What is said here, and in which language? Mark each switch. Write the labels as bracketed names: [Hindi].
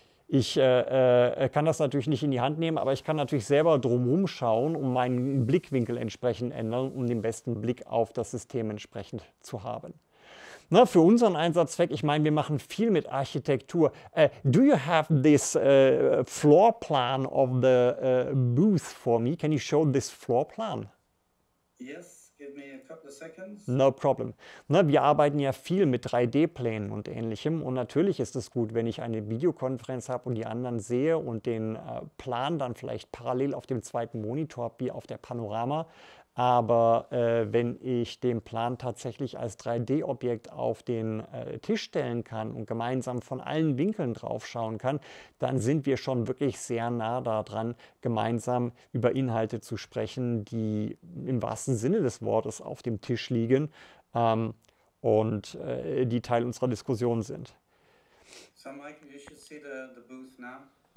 [German] Ich kann das natürlich nicht in die Hand nehmen, aber ich kann natürlich selber drumherum schauen und meinen Blickwinkel entsprechend ändern, um den besten Blick auf das System entsprechend zu haben. Na, für unseren Einsatzzweck, ich meine, wir machen viel mit Architektur. [English] Do you have this floor plan of the booth for me? Can you show this floor plan? Yes. No problem. [German] Na, wir arbeiten ja viel mit 3D-Plänen und Ähnlichem und natürlich ist es gut, wenn ich eine Videokonferenz habe und die anderen sehe und den Plan dann vielleicht parallel auf dem zweiten Monitor habe, wie auf der Panorama. Aber wenn ich den Plan tatsächlich als 3D-Objekt auf den Tisch stellen kann und gemeinsam von allen Winkeln drauf schauen kann, dann sind wir schon wirklich sehr nah daran, gemeinsam über Inhalte zu sprechen, die im wahrsten Sinne des Wortes auf dem Tisch liegen und die Teil unserer Diskussion sind. [English] So, Mike, you should see the booth now.